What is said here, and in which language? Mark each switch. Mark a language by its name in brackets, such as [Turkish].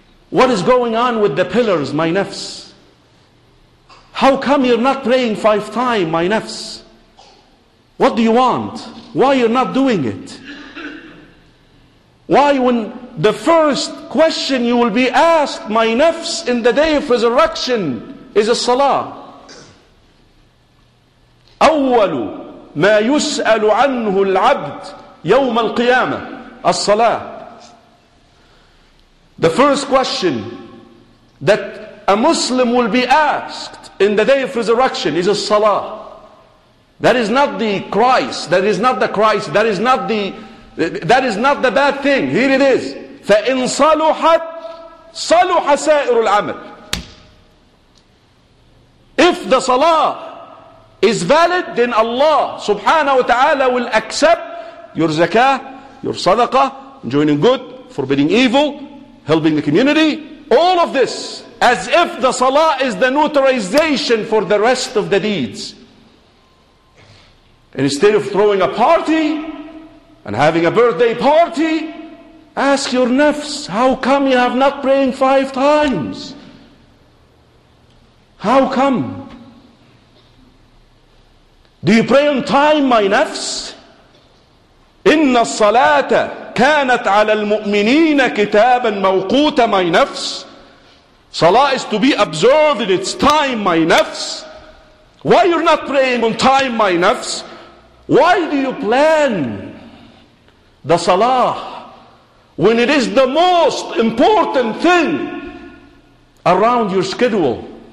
[English] What is going on with the pillars, my nafs? How come you're not praying five times, my nafs? What do you want? Why you're not doing it? Why when the first question you will be asked, my nafs, in the day of resurrection, is a salah? [Arabic] أول ما يسأل عنه العبد يوم القيامة الصلاة. [English] The first question that a Muslim will be asked in the day of resurrection is a salah. That is not the Christ. That is not the Christ. That is not the bad thing. Here it is. [Arabic] فَإِن صَلُحَتْ صَلُحَ سَائِرُ الْعَمَلِ. [English] If the salah is valid, then Allah subhanahu wa ta'ala will accept your zakah, your sadaqah, enjoining good, forbidding evil, helping the community, all of this, as if the salah is the notarization for the rest of the deeds. Instead of throwing a party and having a birthday party, ask your nafs, how come you have not prayed five times? How come? Do you pray on time, my nafs? [Arabic] إِنَّ الصَّلَاةَ كَانَتْ عَلَى الْمُؤْمِنِينَ كِتَابًا مَوْقُوتًا, [English] my nafs. Salah is to be observed in its time, my nafs. Why you're not praying on time, my nafs? Why do you plan the salah when it is the most important thing around your schedule?